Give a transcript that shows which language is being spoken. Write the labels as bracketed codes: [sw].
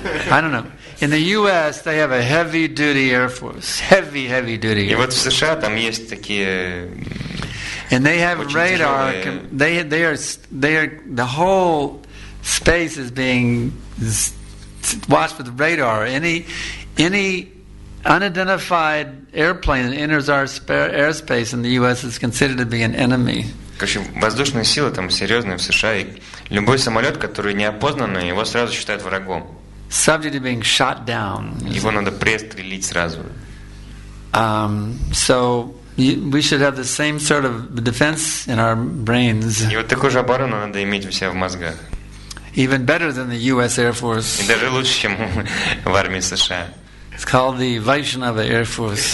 [en] I don't know. In the U.S. they have a heavy-duty air force, heavy-duty. [ru] И вот в США там есть такие. [en] And they have radar. They are the whole space is being watched with radar. Any unidentified airplane that enters our airspace in the U.S. is considered to be an enemy. [ru] Короче, воздушные силы там серьезные в США, и любой самолет, который неопознанный, его сразу считают врагом. [en] Subject to being shot down. [ru] Его надо пристрелить сразу. [en] So we should have the same sort of defense in our brains. [ru] И вот такую же оборону надо иметь у себя в мозгах. [en] Even better than the U.S. Air Force. [ru] И даже лучше, чем в армии США. [en] It's called the Vaishnava Air Force.